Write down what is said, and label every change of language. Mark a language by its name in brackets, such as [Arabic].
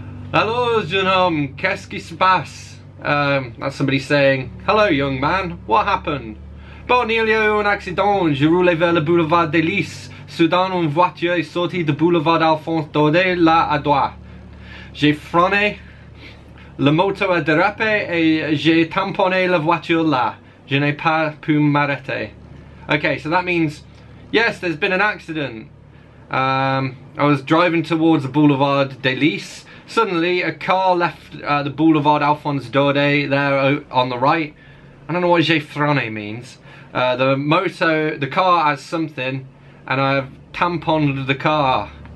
[French] Alors, jeune homme, qu'est-ce qui se passe? [English] That's somebody saying, hello, young man, what happened? [French] Bon, il y a eu un accident, je roulais vers le boulevard de Lys. Soudain, une voiture est sortie du boulevard Alphonse Daudet, là à droite. J'ai freiné, la moto a dérapé et j'ai tamponné la voiture là. Je n'ai pas pu m'arrêter. [English] Okay, so that means, yes, there's been an accident. I was driving towards the boulevard de Lys. Suddenly, a car left the boulevard Alphonse Daudet there on the right. I don't know what [French] j'ai freiné [English] means. The car has something, and I've tamponed the car.